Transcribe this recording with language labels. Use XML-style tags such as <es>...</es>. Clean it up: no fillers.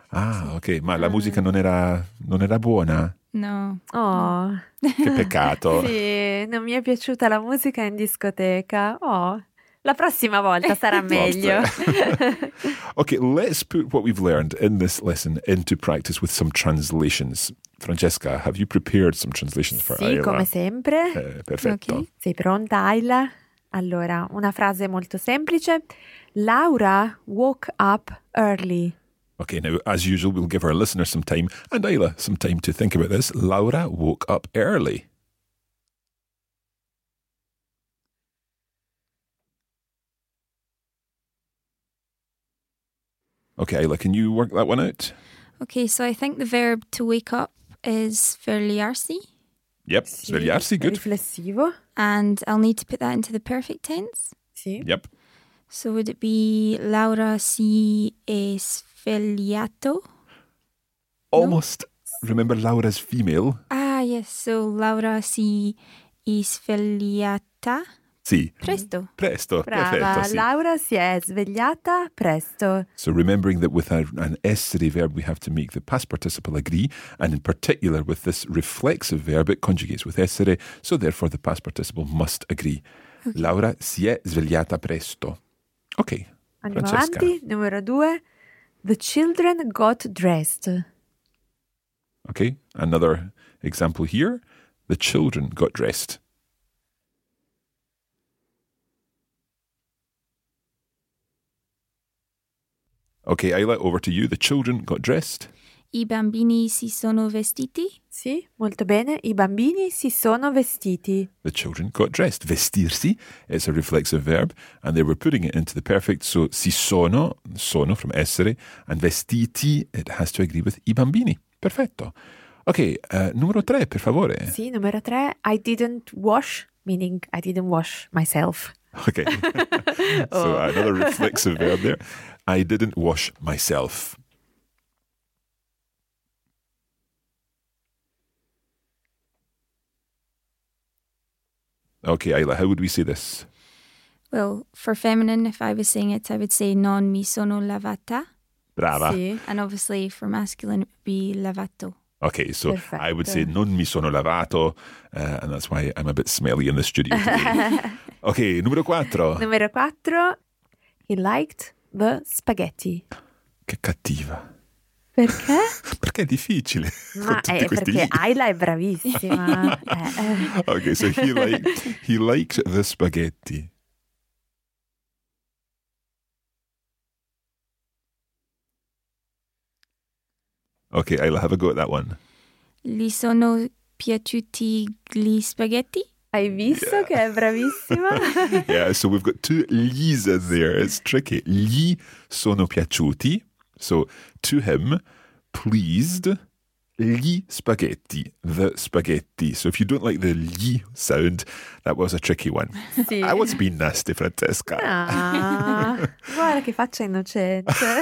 <it>Ah, ok, ma la musica non era buona? No. Oh. Che peccato. Sì, non mi è piaciuta la musica in discoteca. Oh, la prossima volta sarà meglio.</it> <en>Ok, let's put what we've learned in this lesson into practice with some translations. Francesca, have you prepared some translations for</en> <it>Ayla? Sì, come sempre. Perfetto. Okay. Sei pronta, Ayla? Allora, una frase molto semplice.</it> <en>Laura woke up early. Okay, now, as usual, we'll give our listeners some time and Ayla some time to think about this. Laura woke up early. Okay, Ayla, can you work that one out? Okay, so I think the verb to wake up is svegliarsi. Yep, svegliarsi, good.</en> <it>Riflessivo.</it> <en>And I'll need to put that into the perfect tense.</en> <it>Sì.</it> <en>Yep. So would it be</en> <it>Laura si è svegliato?</it> <en>Almost. No? Remember, Laura's female. Ah, yes. So</en> <it>Laura si è svegliata? Sì. Presto. Presto. Brava. Perfetto, sì. Laura si è svegliata presto.</it> <en>So remembering that with an essere verb, we have to make the past participle agree. And in particular, with this reflexive verb, it conjugates with essere. So therefore, the past participle must agree. Okay.</en> <it>Laura si è svegliata presto.</it> <en>Okay.</en> <it>Andiamo Francesca. Avanti. Numero due.</it> <en>The children got dressed. Okay. Another example here. The children got dressed. Ok, Ayla, over to you. The children got dressed.</en> <it>I bambini si sono vestiti. Sì, molto bene. I bambini si sono vestiti.</it> <en>The children got dressed. Vestirsi, it's a reflexive verb, and they were putting it into the perfect. So, si sono, sono from essere, and vestiti, it has to agree with i bambini.</en> <it>Perfetto. Ok, numero tre, per favore. Sì, numero tre.</it> <en>I didn't wash, meaning I didn't wash myself. Ok. So, another reflexive verb there. I didn't wash myself. Okay, Ayla, how would we say this? Well, for feminine, if I was saying it, I would say</en> <it>non mi sono lavata. Brava. Sì.</it> <en>And obviously for masculine, it would be lavato. Okay, so perfetto. I would say</en> <it>non mi sono lavato,</it> <en>and that's why I'm a bit smelly in the studio today.</en> <it>Okay, numero quattro. Numero quattro,</it> <en>he liked the spaghetti.</en> <it>Che cattiva. Perché? Perché è difficile. Ma è perché Ayla è bravissima.</it> <en>Ok, so he liked the spaghetti. Ok, Ayla, have a go at that one.</en> <it>Gli sono piaciuti gli spaghetti? Hai visto che è bravissima?</it> <en>Yeah, so we've got two gli's there. It's tricky.</en> <it>Gli sono piaciuti.</it> <en>So, to him, pleased, gli spaghetti, the spaghetti. So, if you don't like the gli sound, that was a tricky one.</en> <it>Sì.</it> <en>I was being nasty, Francesca.</en> <it>Ah, guarda che faccia innocente.</it>